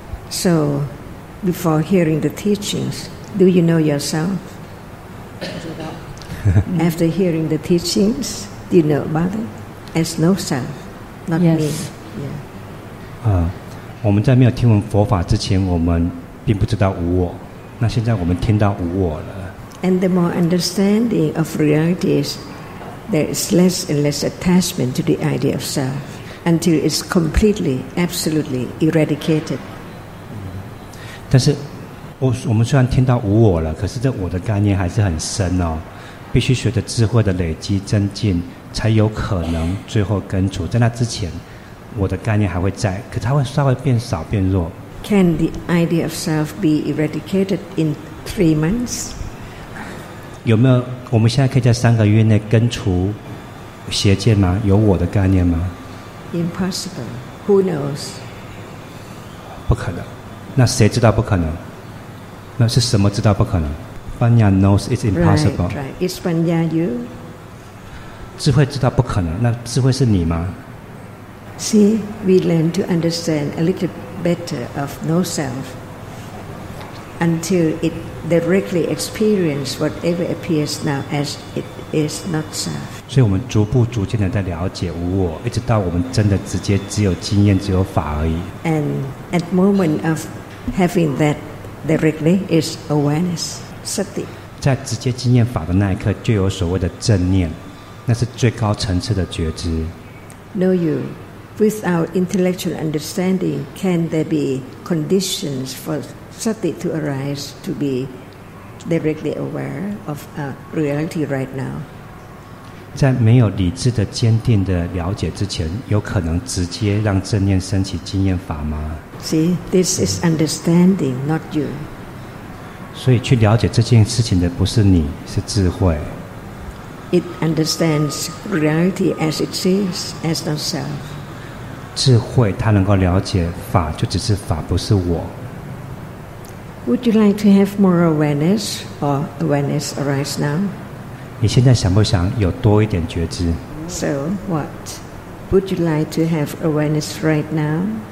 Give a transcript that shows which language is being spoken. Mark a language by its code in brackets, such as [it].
[en] So. Before hearing the teachings, do you know yourself? After hearing the teachings, do you know about it? As no self, not yes. me. Yeah. [zh] 我们在没有听闻佛法之前，我们并不知道无我。那现在我们听到无我了。 [en] And the more understanding of reality is, there is less and less attachment to the idea of self until it's completely, absolutely eradicated. [zh] 但是我们虽然听到无我了，可是这我的概念还是很深哦，必须随着智慧的累积增进才有可能最后根除。在那之前我的概念还会在，可是它会稍微变少变弱。 [en] Can the idea of self be eradicated in 3 months? [zh] 有没有我们现在可以在3个月内根除邪见吗？有我的概念吗？ [en] Impossible. Who knows? [zh] 不可能。那谁知道不可能？那是什么知道不可能？ [en] Panya knows it's impossible. Right, right. Is Panya you? [zh] 智慧知道不可能，那智慧是你吗？ [en] See, we learn to understand a little better of no self until it directly experience whatever appears now as it is not self. [zh] 所以我们逐步逐渐地在了解无我，一直到我们真的直接只有经验，只有法而已。 [en] And at the moment of having that directly is awareness, sati. [zh] 在直接经验法的那一刻，就有所谓的正念，那是最高层次的觉知。 [en] Know you. Without intellectual understanding, can there be conditions for sati to arise to be directly aware of reality right now? [zh] 在没有理智的坚定的了解之前，有可能直接让正念升起经验法吗？ [en] See, this is understanding, not you. [zh] 所以去了解这件事情的不是你，是智慧。 [en] It understands reality as it is, as not self. [zh] 智慧，他能够了解法，就只是法，不是我。 [en] Would you like to have more awareness, or awareness arise now? [zh] 你现在想不想有多一点觉知 [en] ？So what? Would you like to have awareness right now?